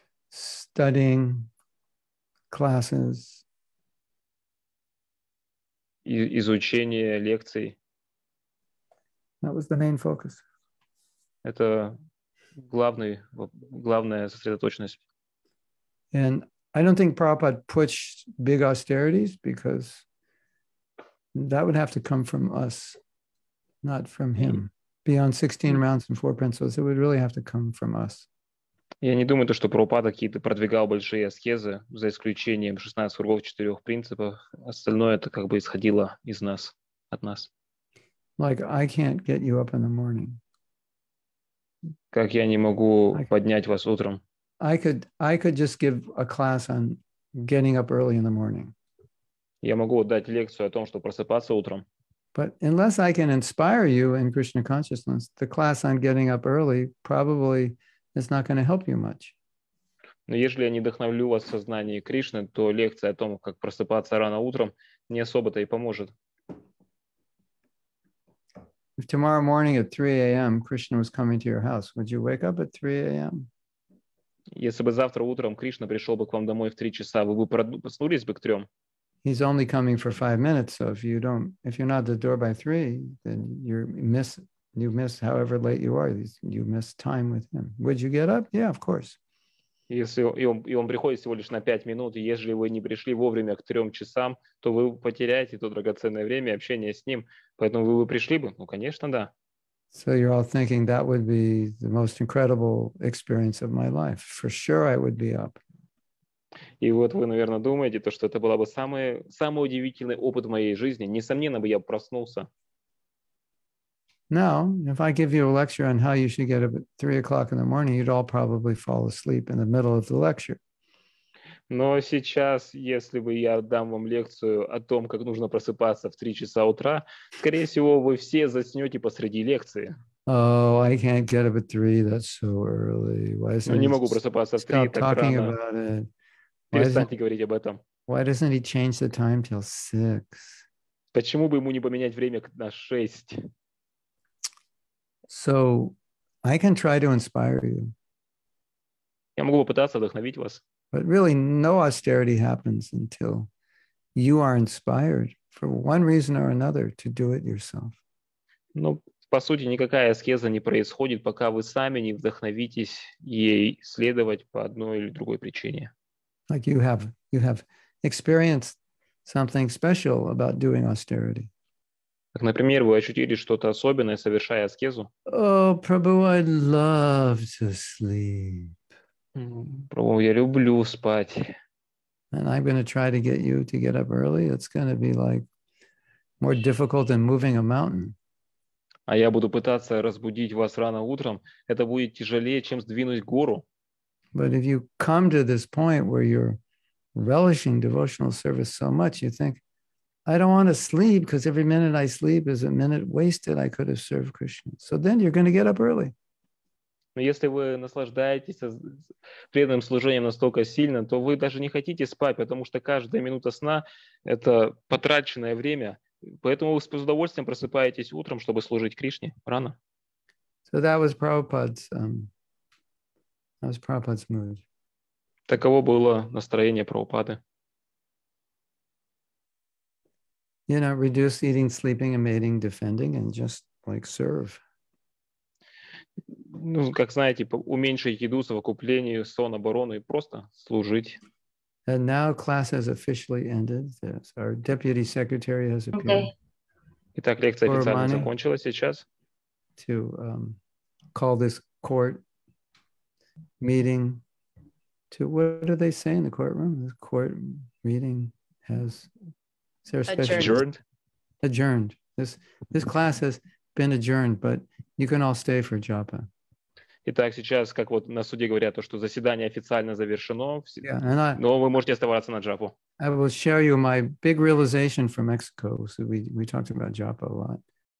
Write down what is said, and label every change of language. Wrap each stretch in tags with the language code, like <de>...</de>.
<en>Studying classes.</en> <ru>Изучение лекций.</ru> <en>That was the main focus.</en> <ru>Это главная сосредоточенность.</ru> <en>And I don't think Prabhupada pushed big austerities because that would have to come from us, not from him. Beyond 16 rounds and 4 principles, it would really have to come from us.</en> <ru>Я не думаю, что Прабхупада какие-то продвигал большие аскезы, за исключением 16 кругов, 4 принципов. Остальное это как бы исходило из нас, от нас.</ru> <en>Like I can't get you up in the morning.</en> <ru>Как я не могу поднять вас утром?</ru> <en>I could just give a class on getting up early in the morning.</en> <ru>Я могу дать лекцию о том, что просыпаться утром.</ru> <en>But unless I can inspire you in Krishna consciousness, the class on getting up early probably is not going to help you much.</en> <ru>Но если я не вдохновлю вас в сознании Кришны, то лекция о том, как просыпаться рано утром, не особо-то и поможет.</ru> <en>If tomorrow morning at 3 a.m. Krishna was coming to your house, would you wake up at 3 a.m.?</en> <ru>Если бы завтра утром Кришна пришел бы к вам домой в 3 часа, вы бы проснулись бы к 3?</ru> <en>He's only coming for 5 minutes, so if you're not at the door by 3, then you miss however late you are, you miss time with him. Would you get up? Yeah, of course.</en> <ru>Если он приходит всего лишь на 5 минут, если вы не пришли вовремя к 3 часам, то вы потеряете то драгоценное время общения с ним, поэтому вы бы пришли бы? Ну, конечно, да.</ru> <en>So you're all thinking that would be the most incredible experience of my life. For sure I would be up.</en> <ru>И вот вы, наверное, думаете, то, что это была бы самый удивительный опыт в моей жизни. Несомненно бы я проснулся.</ru> <en>Now, if I give you a lecture on how you should get up at 3 o'clock in the morning, you'd all probably fall asleep in the middle of the lecture.</en> <ru>Но сейчас, если бы я дам вам лекцию о том, как нужно просыпаться в 3 часа утра, скорее всего, вы все заснете посреди лекции.</ru> <en>Oh, I can't get up at 3, that's so early. Why isn't</en> <ru>не могу просыпаться в 3,</ru> <en>stop</en> <ru>так</ru> <en>talking</en> <ru>рано.</ru> <en>About it.</en> <ru>Перестаньте говорить об этом.</ru> <en>Why doesn't he change the time till 6?</en> <ru>Почему бы ему не поменять время на 6?</ru> <en>So, I can try to inspire you.</en> <ru>Я могу попытаться вдохновить вас.</ru> <en>But really, no austerity happens until you are inspired for one reason or another to do it yourself.</en> <ru>Ну, по сути, никакая аскеза не происходит, пока вы сами не вдохновитесь ей следовать по одной или другой причине.</ru> <en>Like you have experienced something special about doing austerity.</en> <ru>Так, например, вы ощутили что-то особенное, совершая аскезу?</ru> <en>Oh, Prabhu, I love to sleep.</en> <ru>Прабу, я люблю спать.</ru> <en>And I'm going to try to get you to get up early. It's going to be like more difficult than moving a mountain.</en> <ru>А я буду пытаться разбудить вас рано утром. Это будет тяжелее, чем сдвинуть гору.</ru> <en>But if you come to this point where you're relishing devotional service so much, you think, I don't want to sleep because every minute I sleep is a minute wasted I could have served Krishna. So then you're going to get up early.</en> <ru>Но если вы наслаждаетесь преданным служением настолько сильно, то вы даже не хотите спать, потому что каждая минута сна – это потраченное время. Поэтому вы с удовольствием просыпаетесь утром, чтобы служить Кришне рано.</ru> <en>So that was Prabhupada's mood.</en> <ru>Таково было настроение Прабхупады.</ru> <en>You know, reduce eating, sleeping, and mating, defending, and just like serve.</en> <ru>Ну, как знаете, уменьшить еду, совокупление, сон, оборону и просто служить.</ru> <en>And now class has officially ended. Yes. Our deputy secretary has appeared. Okay.</en> <ru>Итак, лекция официально закончилась сейчас.</ru> <en>To call this court meeting. To what do they say in the courtroom? This court meeting has. Adjourned. This class has been adjourned, but you can all stay for japa.</en> <ru>Итак, сейчас, как вот на суде говорят, то, что заседание официально завершено, но вы можете оставаться на джапу.</ru> <en>I will share you my big realization from Mexico. So we talked about japa a lot.</en>